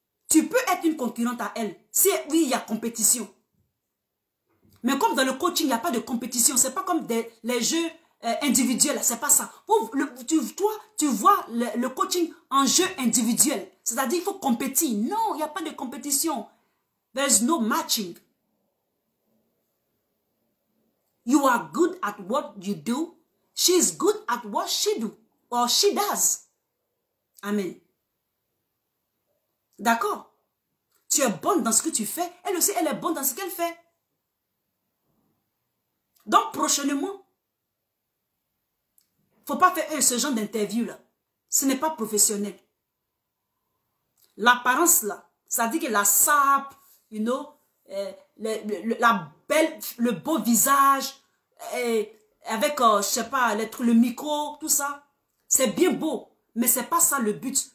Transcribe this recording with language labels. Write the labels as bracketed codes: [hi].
[fr] Tu peux être une concurrente à elle. Si oui, il y a compétition. Mais comme dans le coaching, il n'y a pas de compétition. Ce n'est pas comme les jeux individuels. Ce n'est pas ça. Tu vois le coaching en jeu individuel. C'est-à-dire qu'il faut compétir. Non, il n'y a pas de compétition. [en] There's no matching. You are good at what you do. She's good at what she do or she does. [fr] Amen. D'accord? Tu es bonne dans ce que tu fais. Elle aussi, elle est bonne dans ce qu'elle fait. Donc, prochainement, il ne faut pas faire ce genre d'interview-là. Ce n'est pas professionnel. L'apparence-là, ça dit que la sape, you know, le beau visage, et avec, le micro, tout ça, c'est bien beau, mais c'est pas ça le but.